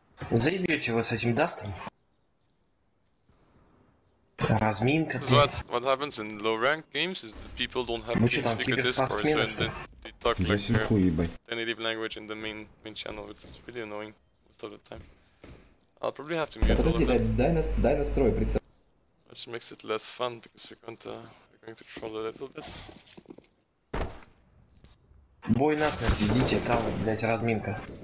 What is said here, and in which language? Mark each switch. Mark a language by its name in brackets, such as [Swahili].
[Russian] Заебете вы с этим Дастом? Разминка. [English] So what happens in low rank games is that people don't have to speak a discourse, so they talk like native language in the main channel, which is really annoying most of the time. I'll probably have to mute all of them. [Russian] Дай настрой прицел. [English] Which makes it less fun because we're going to troll a little bit. [Russian] Бой нахрен, идите там, блять, разминка.